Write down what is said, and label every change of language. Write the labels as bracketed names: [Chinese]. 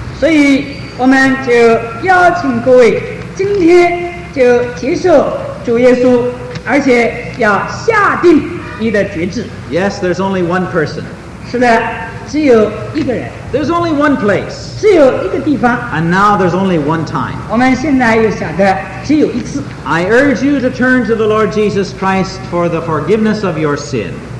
[Chinese] 所以我们就邀请各位今天就接受主耶稣，而且要下定你的决志。 [English] Yes, there's only one person. [Chinese] 是的，只有一个人。 [English] There's only one place. [Chinese] 只有一个地方。 [English] And now there's only one time. [Chinese] 我们现在又想着只有一次。 [English] I urge you to turn to the Lord Jesus Christ for the forgiveness of your sin.